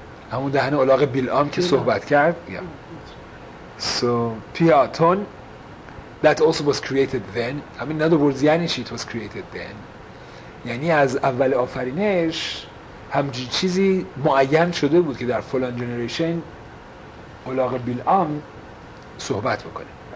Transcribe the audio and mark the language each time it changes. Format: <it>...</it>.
<fa>همون دهن اولاق بیلعام که صحبت کرد.</fa> <en>Yeah. So, Pi Ha'aton, that also was created then. I mean, in other words,</en> <fa>یعنی چی</fa> <en>it was created then.</en> <fa>یعنی از اول آفرینش همچین چیزی معین شده بود که در فلان جنریشن اولاق بیلعام صحبت بکنه.</fa>